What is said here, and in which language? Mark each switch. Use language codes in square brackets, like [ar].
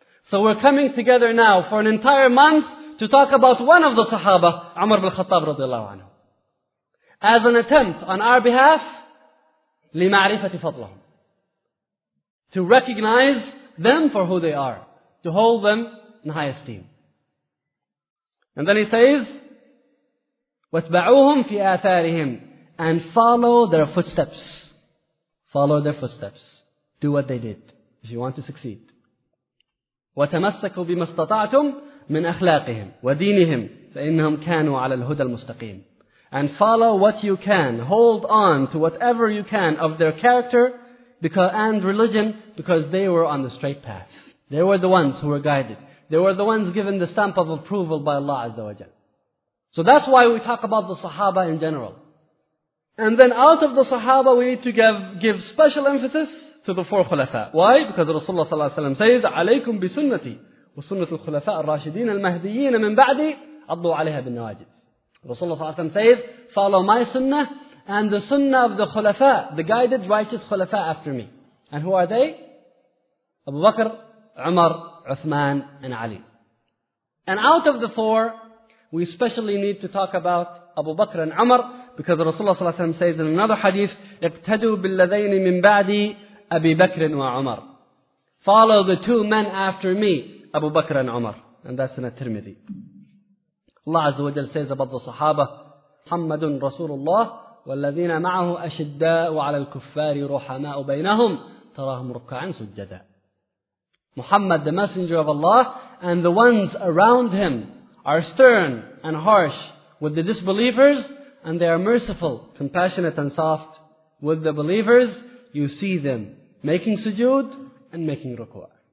[en] So we're coming together now for an entire month to talk about one of the Sahaba, Umar ibn Khattab radiallahu anhu, as an attempt on our behalf, [ar] لِمَعْرِفَةِ فَضْلَهُمْ [en] To recognize them for who they are, to hold them in high esteem. And then he says, [ar] وَاتْبَعُوهُمْ فِي آثَارِهِمْ [en] And follow their footsteps. Follow their footsteps. Do what they did, if you want to succeed. [ar] وَتَمَسَّكُوا بِمَا اسْتَطَعْتُمْ مِنْ أَخْلَاقِهِمْ وَدِينِهِمْ فَإِنَّهُمْ كَانُوا عَلَى الْهُدَى الْمُسْتَقِيمِ [en] And follow what you can. Hold on to whatever you can of their character and religion, because they were on the straight path. They were the ones who were guided. They were the ones given the stamp of approval by Allah Azza wa Jal. So that's why we talk about the Sahaba in general. And then out of the Sahaba, we need to give special emphasis to the four Khulafa. Why? Because Rasulullah sallallahu alayhi wa sallam says, [ar] عَلَيْكُمْ بِسُنَّتِي وَسُنَّةُ الْخُلَفَاءِ الرَّاشِدِينَ الْمَهْدِيِّينَ مِنْ بَعْدِي عَضُّوا عَلَيْهَا بِالنَّوَاجِدِ [en] Rasulullah sallallahu alayhi wa sallam says, follow my sunnah and the sunnah of the Khulafa, the guided righteous Khulafa after me. And who are they? Abu Bakr, Umar, Uthman and Ali. And out of the four, we especially need to talk about Abu Bakr and Umar, because Rasulullah sallallahu alaihi wasallam says in another hadith, [ar] اقتدوا بالذين من بعدي أبي بكر وعمر. [en] Follow the two men after me, Abu Bakr and Umar. And that's in a Tirmidhi. Allah Azza wa Jal says about the Sahaba, [ar] محمد رسول الله والذين معه أشداء على الكفار رحماء بينهم تراهم ركعا سجدا. [en] Muhammad, the Messenger of Allah, and the ones around him are stern and harsh with the disbelievers, and they are merciful, compassionate and soft with the believers. You see them making sujood and making ruku'ah.